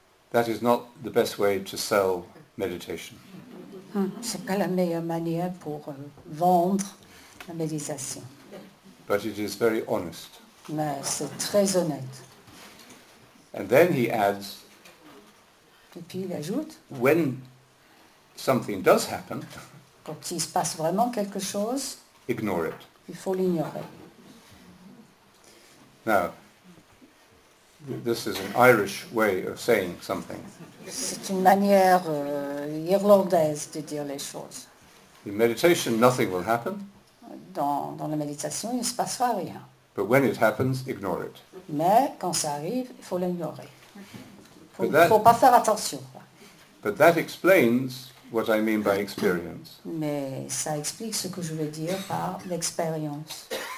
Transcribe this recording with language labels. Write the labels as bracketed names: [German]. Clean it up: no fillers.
[English] That is not the best way to sell meditation. [French] C'est pas la meilleure manière pour vendre la méditation. [English] But it is very honest. [French] Mais c'est très honnête. [English] And then he adds. [French] Et puis il ajoute. [English] When something does happen. [French] Quand il se passe vraiment quelque chose. [English] Ignore it. [French] Il faut l'ignorer. [English] Now. This is an Irish way of saying something. [French] C'est une manière irlandaise de dire les choses. [English] In meditation, nothing will happen. [French] Dans la méditation, il ne se passera rien. [English] But when it happens, ignore it. [French] Mais quand ça arrive, il faut l'ignorer. Il ne faut pas faire attention. [English] But that explains what I mean by experience. [French] Mais ça explique ce que je veux dire par l'expérience.